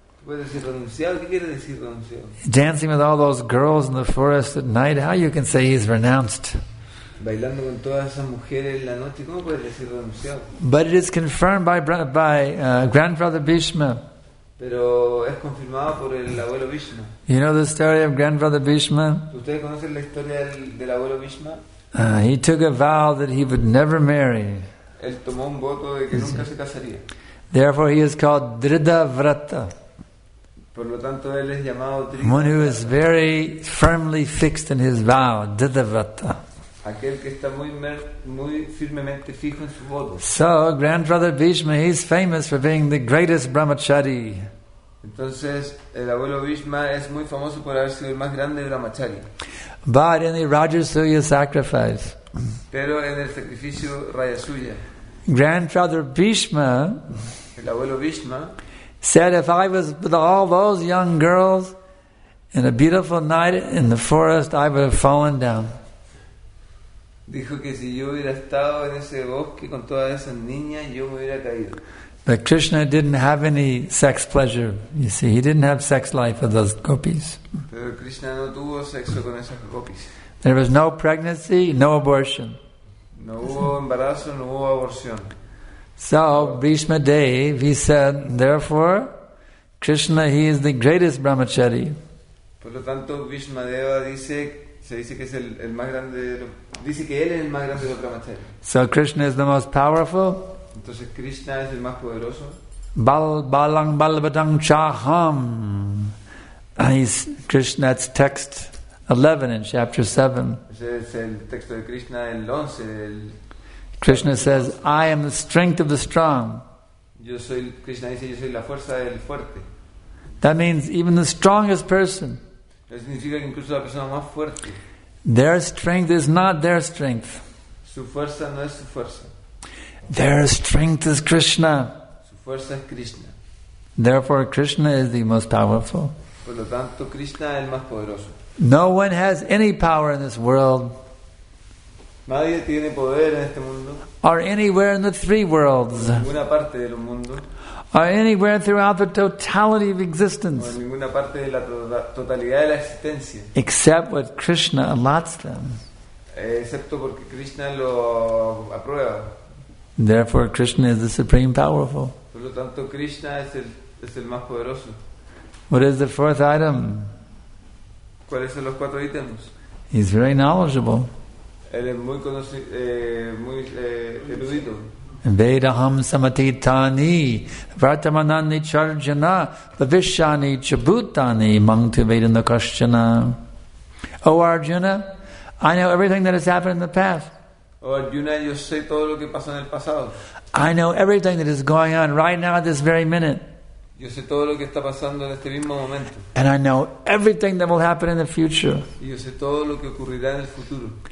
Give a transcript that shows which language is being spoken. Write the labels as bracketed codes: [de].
[en] Dancing with all those girls in the forest at night, how you can say he's renounced? [es] Bailando con todas esas mujeres en la noche, ¿cómo puedes decir renunciado? [en] But it is confirmed by Grandfather Bhishma. [es] Pero es confirmado por el abuelo Bhishma. [en] You know the story of Grandfather Bhishma? [es] ¿Ustedes conocen la historia del abuelo Bhishma? [en] He took a vow that he would never marry. [es] Él tomó un voto de que nunca se casaría. [en] Therefore he is called Dridhavrata. [es] Por lo tanto, él es llamado Dridhavrata. [en] One who is very firmly fixed in his vow, Dridhavrata. [es] Aquel que está muy firmemente fijo en su voto. [en] So, grandfather Bhishma, he's famous for being the greatest brahmachari. [es] Entonces, el abuelo Bhishma es muy famoso por haber sido el más grande brahmachari. [en] But in the Rajasuya sacrifice, [es] pero en el sacrificio Rajasuya, [en] grandfather Bhishma, [es] el abuelo Bhishma, [en] said, if I was with all those young girls in a beautiful night in the forest, I would have fallen down. [es] Dijo que si yo hubiera estado en ese bosque con todas esas niñas, yo me hubiera caído. [en] But Krishna didn't have any sex pleasure, you see. He didn't have sex life with those gopis. [es] Pero Krishna no tuvo sexo con esas gopis. [en] There was no pregnancy, no abortion. [es] No hubo embarazo, no hubo aborción. [en] So, Bhishma Dev, he said, therefore, Krishna, he is the greatest brahmachari. [es] Por lo tanto, Bhishma Deva dice, se dice que es el más grande, dice que él es el más grande de los brahmachari. [en] So, Krishna is the most powerful. [es] Entonces Krishna es el más poderoso. [sa] Balang balabatang chaham. [en] Krishna, that's text 11 in chapter 7. [es] Ese es el texto de Krishna, el 11. [en] Krishna says, I am the strength of the strong. [es] Yo soy, Krishna dice, yo soy la fuerza del fuerte. [en] That means even the strongest person. [es] Eso significa que incluso la persona más fuerte. [en] Their strength is not their strength. [es] Su fuerza no es su fuerza. [en] Their strength is Krishna. [es] Su fuerza es Krishna. [en] Therefore, Krishna is the most powerful. [es] Por lo tanto, Krishna es el más poderoso. [en] No one has any power in this world. [es] Nadie tiene poder en este mundo. [en] Or anywhere in the three worlds. [es] En ninguna parte del mundo. [en] Or anywhere throughout the totality of existence. [es] O en ninguna parte de la totalidad de la existencia. [en] Except what Krishna allots them. [es] Excepto porque Krishna lo aprueba. [en] Therefore, Krishna is the supreme powerful. [es] Por lo tanto, Krishna es el más poderoso. [en] What is the fourth item? [es] ¿Cuáles son los cuatro ítems? [en] He's very knowledgeable. [es] Él es muy conocido, muy erudito. [sa] Vedaham samatitani vartamanani charjana vishani chabutani mangtu vedana kashchana. [en] O Arjuna, I know everything that has happened in the past. [es] Oh, Arjuna, yo sé todo lo que pasó en el pasado. [en] I know everything that is going on right now at this very minute. [es] Yo sé todo lo que está pasando en este mismo momento. [en] And I know everything that will happen in the future. [es] Y yo sé todo lo que ocurrirá en el futuro.